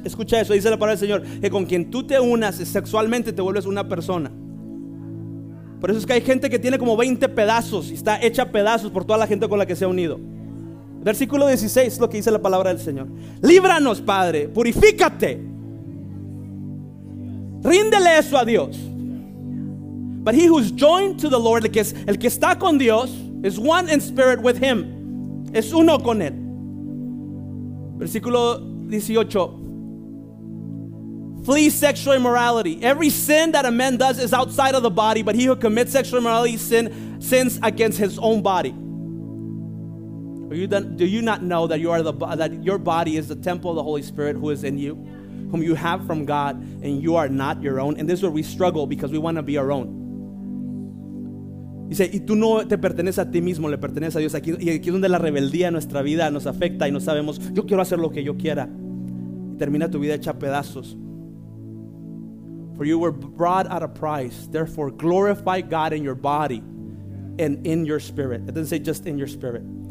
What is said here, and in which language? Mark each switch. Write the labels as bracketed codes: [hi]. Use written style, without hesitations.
[es] Escucha eso, dice la palabra del Señor, que con quien tú te unas sexualmente te vuelves una persona. Por eso es que hay gente que tiene como 20 pedazos y está hecha pedazos por toda la gente con la que se ha unido. Versículo 16 es lo que dice la palabra del Señor. Líbranos, Padre, purifícate. Ríndele eso a Dios. [en] But he who is joined to the Lord, [es] el que está con Dios, [en] is one in spirit with him. [es] Es uno con él. Versículo 18. [en] Flee sexual immorality. Every sin that a man does is outside of the body, but he who commits sexual immorality sins against his own body. Do you not know that you are that your body is the temple of the Holy Spirit who is in you, whom you have from God, and you are not your own? And this is where we struggle, because we want to be our own. [es] Dice, y tú no te perteneces a ti mismo, le perteneces a Dios. Aquí es donde la rebeldía en nuestra vida nos afecta y no sabemos, yo quiero hacer lo que yo quiera. Y termina tu vida hecha pedazos. [en] For you were brought at a price, therefore glorify God in your body and in your spirit. It doesn't say just in your spirit.